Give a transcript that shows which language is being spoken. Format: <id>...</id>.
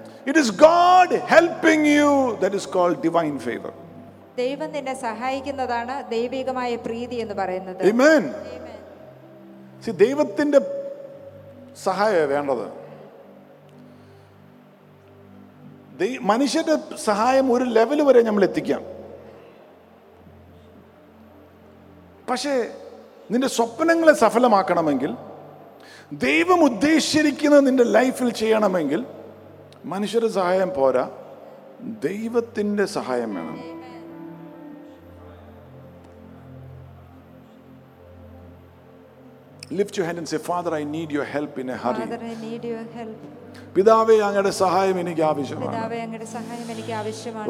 <en>It is God helping you that is called divine favor.</en> <ml>ദൈവം നിന്നെ സഹായിക്കുന്നതാണ് ദൈവികമായ പ്രീതി എന്ന് പറയുന്നത്. Amen. See, ദൈവത്തിന്റെ സഹായമേ വേണ്ടത്. മനുഷ്യന്റെ സഹായം ഒരു ലെവൽ വരെ നമ്മൾ എത്തിക്കാം. പക്ഷേ നിന്റെ സ്വപ്നങ്ങളെ സഫലമാക്കണമെങ്കിൽ, ദൈവം ഉദ്ദേശിച്ചിരിക്കുന്നത് നിന്റെ ലൈഫിൽ ചെയ്യണമെങ്കിൽ, മനുഷ്യരുടെ സഹായം പോരാ, ദൈവത്തിന്റെ സഹായം വേണം.</ml> <en>Lift your hand and say, Father, I need your help in a hurry. Father, I need your help.</en> <ml>പിതാവേ, അങ്ങയുടെ സഹായം എനിക്ക് ആവശ്യമാണ്.</ml>